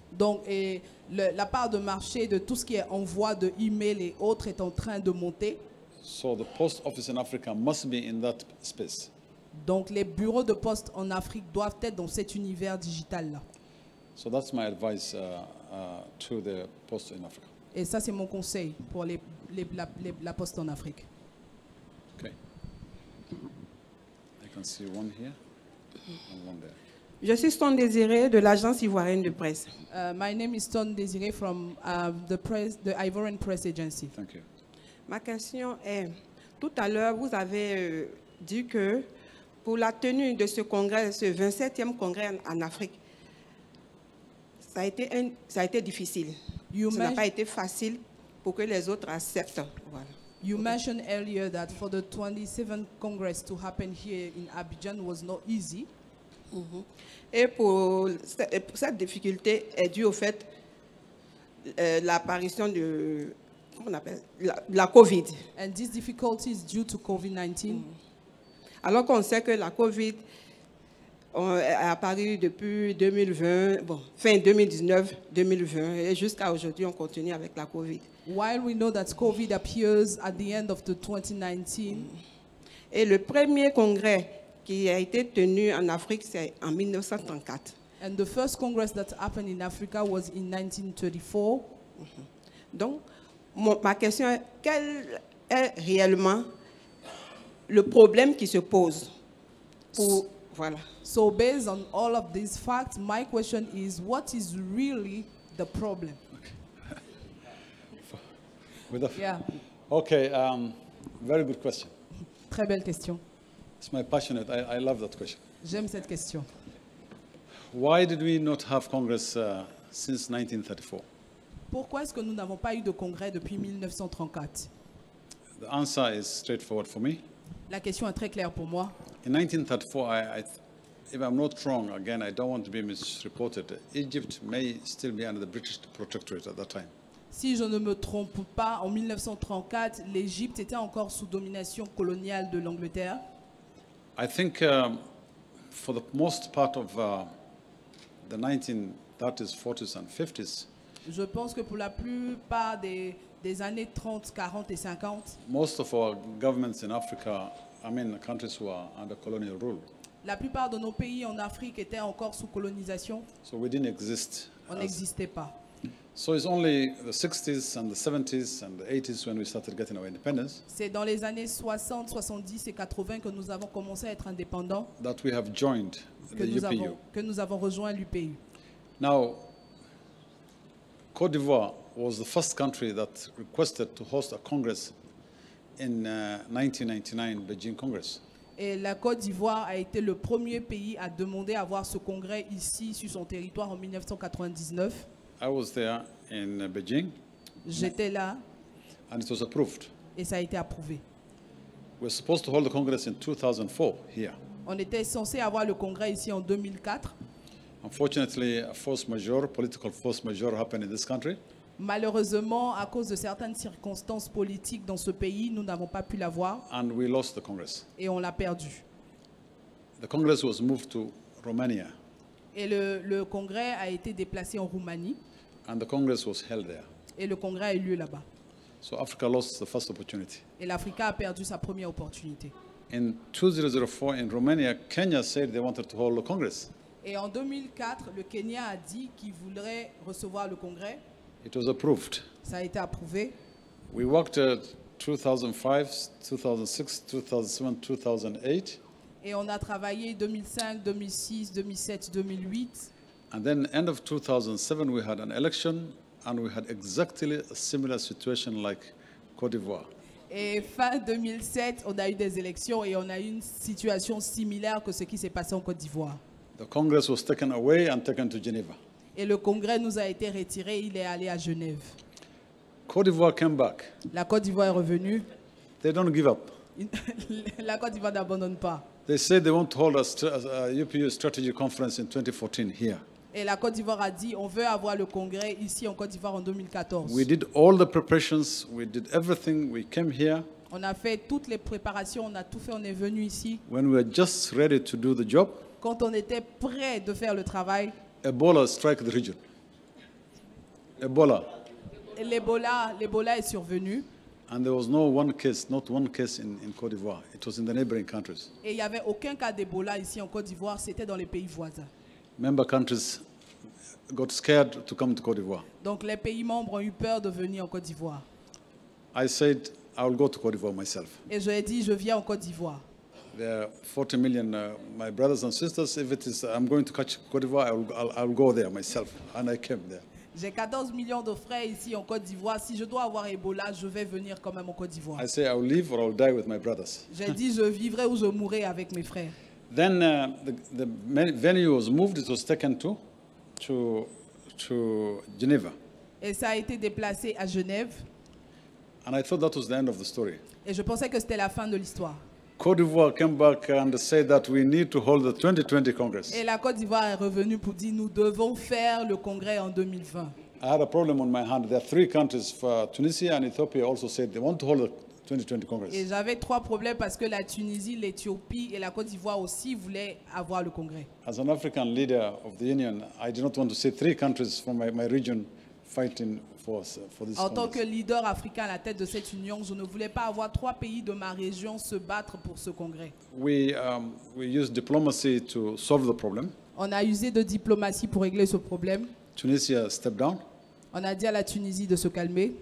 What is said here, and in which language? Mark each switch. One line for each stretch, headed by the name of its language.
French: Donc, et la part de marché de tout ce qui est envoi de e-mail et autres est en train de monter.
English: So the post office in Africa must be in that space.
French: Donc les bureaux de poste en Afrique doivent être dans cet univers digital là.
English: So that's my advice to the post in Africa.
French: Et ça c'est mon conseil pour la poste en Afrique.
English: Okay. I can see one here and one there.
French: Je suis Stone Désiré de l'agence ivoirienne de presse.
English: My name is Stone Désiré from the Ivorian Press Agency. Thank you.
French: Ma question est, tout à l'heure, vous avez dit que pour la tenue de ce congrès, ce 27e congrès en Afrique, ça a été difficile. Ça n'a pas été facile pour que les autres acceptent. Voilà.
English: You mentioned earlier that for the 27th congress to happen here in Abidjan was not easy. Mm-hmm.
French: Et pour cette difficulté est due au fait l'apparition de la COVID.
English: And this difficulty is due to COVID-19.
French: Alors qu'on sait que la COVID est apparue depuis 2020, fin 2019-2020, et jusqu'à aujourd'hui, on continue avec la COVID.
English: While we know that COVID appears at the end of the 2019.
French: Et le premier congrès qui a été tenu en Afrique, c'est en 1934.
English: And the first congress that happened in Africa was in 1934. Mm-hmm.
French: Donc, ma question est, quel est réellement le problème qui se pose pour, voilà.
English: So based on all of these facts, my question is, what is really the problem? Okay. Okay, very good question.
French: Très belle question.
English: It's my passionate. I love that question.
French: J'aime cette question.
English: Why did we not have Congress since 1934?
French: Pourquoi est-ce que nous n'avons pas eu de congrès depuis 1934?
English: The answer is straightforward for me.
French: La question est très claire pour moi.
English: In 1934, if I'm not wrong, again, I don't want to be misreported, Egypt may still be under the British protectorate at that time.
French: Si je ne me trompe pas, en 1934, l'Égypte était encore sous domination coloniale de l'Angleterre.
English: I think for the most part of the 1930s, 40s and 50s,
French: Je pense que pour la plupart des années 30, 40 et 50,
English: most of our governments in Africa, I mean the countries who are under colonial rule.
French: La plupart de nos pays en Afrique étaient encore sous colonisation.
English: So we didn't exist.
French: On n'existait pas.
English: So it's only the 60s and the 70s and the 80s when we started getting our independence.
French: C'est dans les années 60, 70 et 80 que nous avons commencé à être indépendants.
English: That we have joined the UPU.
French: Que nous avons rejoint l'UPU.
English: Now, Côte d'Ivoire was the first country that requested to host a congress in 1999 Beijing Congress.
French: Et la Côte d'Ivoire a été le premier pays à demander à avoir ce congrès ici sur son territoire en 1999.
English: I was there in Beijing.
French: J'étais là.
English: And it was approved.
French: Et ça a été approuvé.
English: We're supposed to hold the congress in 2004 here.
French: On était censé avoir le congrès ici en 2004.
English: Unfortunately, a force majeure, political force majeure happened in this country.
French: Malheureusement, à cause de certaines circonstances politiques dans ce pays, nous n'avons pas pu l'avoir.
English: And we lost the congress.
French: Et on l'a perdu.
English: The congress was moved to Romania.
French: Et le congrès a été déplacé en Roumanie.
English: And the congress was held there.
French: Et le congrès a eu lieu là-bas.
English: So Africa lost the first opportunity.
French: Et l'Afrique a perdu sa première opportunité.
English: In 2004, in Romania, Kenya said they wanted to hold the congress.
French: Et en 2004, le Kenya a dit qu'il voudrait recevoir le congrès.
English: It was approved.
French: Ça a été approuvé.
English: We worked 2005, 2006, 2007, 2008.
French: Et on a travaillé 2005, 2006, 2007, 2008.
English: And then end of 2007 we had an election and we had exactly a similar situation like Côte d'Ivoire.
French: Et fin 2007, on a eu des élections et on a eu une situation similaire que ce qui s'est passé en Côte d'Ivoire.
English: The congress was taken away and taken to Geneva.
French: Et le congrès nous a été retiré, il est allé à Genève.
English: Côte d'Ivoire came back.
French: La Côte d'Ivoire est revenue.
English: They don't give up.
French: La Côte d'Ivoire n'abandonne pas.
English: They say they want to hold a UPU strategy conference in 2014 here.
French: Et la Côte d'Ivoire a dit on veut avoir le congrès ici en Côte d'Ivoire en 2014.
English: We did all the preparations, we did everything, we came here.
French: On a fait toutes les préparations, on a tout fait, on est venu ici.
English: When we were just ready to do the job.
French: Quand on était prêt de faire le travail.
English: Ebola struck the region. Ebola.
French: L'Ebola est survenu.
English: And there was no one case, not one case in Côte d'Ivoire. It was in the neighboring countries.
French: Et il y avait aucun cas d'Ebola ici en Côte d'Ivoire, c'était dans les pays voisins.
English: Member countries got scared to come to Côte d'Ivoire.
French: Donc les pays membres ont eu peur de venir en Côte d'Ivoire.
English: I said I will go to Côte d'Ivoire myself.
French: Et je ai dit je viens en Côte d'Ivoire.
English: There are 40 million my brothers and sisters. If it is, I'm going to catch Côte d'Ivoire. I'll go there myself, and I came there.
French: J'ai 14 millions de frères ici en Côte d'Ivoire. Si je dois avoir Ebola, je vais venir quand même en Côte d'Ivoire.
English: I say I'll live or I'll die with my brothers.
French: J'ai dit je vivrai ou je mourrai avec mes frères.
English: Then the venue was moved. It was taken to Geneva.
French: Et ça a été déplacé à Genève.
English: And I thought that was the end of the story.
French: Et je pensais que c'était la fin de l'histoire.
English: Côte d'Ivoire came back and said that we need to hold the 2020 Congress.
French: Et la Côte d'Ivoire est revenue pour dire nous devons faire le congrès en 2020.
English: I had a problem on my hand. There are three countries, Tunisia and Ethiopia, also said they want to hold the 2020 Congress.
French: Et j'avais trois problèmes parce que la Tunisie, l'Éthiopie et la Côte d'Ivoire aussi voulaient avoir le congrès.
English: As an African leader of the Union, I did not want to see three countries from my region fighting.
French: En tant que leader africain à la tête de cette union, je ne voulais pas avoir trois pays de ma région se battre pour ce congrès.
English: We used diplomacy to solve the problem.
French: On a usé de diplomatie pour régler ce problème.
English: Tunisia stepped down.
French: On a dit à la Tunisie de se calmer.